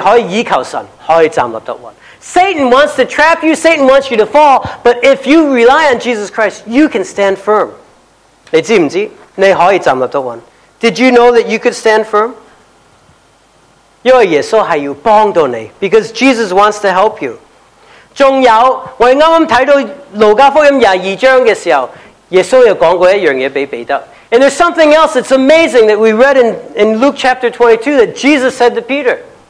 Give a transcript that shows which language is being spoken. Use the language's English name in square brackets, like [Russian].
[Cantonese] 所以魔鬼整陷阱给我们,魔鬼想我们跌倒,我们可以依靠神,可以站立得稳. [English] Satan wants to trap you, Satan wants you to fall, but if you rely on Jesus Christ, you can stand firm. [Cantonese] 你知不知?你可以站立得稳. [English] Did you know that you could stand firm? [Cantonese] 因为耶稣是要帮助你, [English] because Jesus wants to help you. [Cantonese] 还有, 我们刚刚看到路加福音22章的时候, 耶稣又讲过一件事给彼得。 [English] And there's something else that's amazing that we read in Luke chapter 22 that Jesus said to Peter.